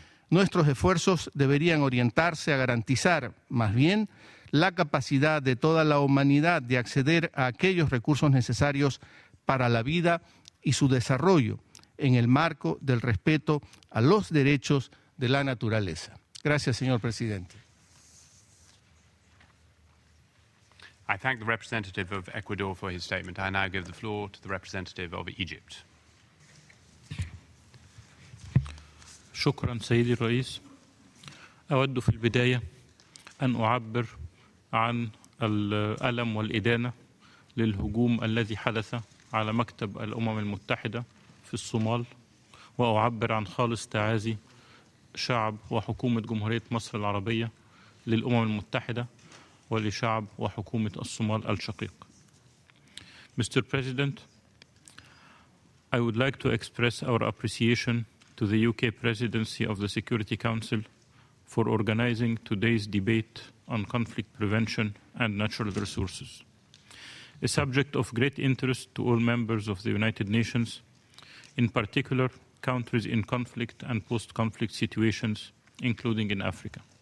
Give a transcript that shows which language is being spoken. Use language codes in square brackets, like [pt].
[es] Nuestros esfuerzos deberían orientarse a garantizar, más bien, la capacidad de toda la humanidad de acceder a aquellos recursos necesarios para la vida y su desarrollo en el marco del respeto a los derechos de la naturaleza. Gracias, señor presidente. [en] I thank the representative of Ecuador for his statement. I now give the floor to the representative of Egypt. [ar] شكرا سيدي الرئيس. أود في البداية أن أعبر عن الألم والإدانة للهجوم الذي حدث على مكتب الأمم المتحدة في الصومال، وأعبر عن خالص تعازي شعب وحكومة جمهورية مصر العربية للأمم المتحدة ولشعب وحكومة الصومال الشقيق. [en] Mr. President, I would like to express our appreciation to the UK Presidency of the Security Council for organizing today's debate on conflict prevention and natural resources. A subject of great interest to all members of the United Nations, in particular countries in conflict and post-conflict situations, including in Africa.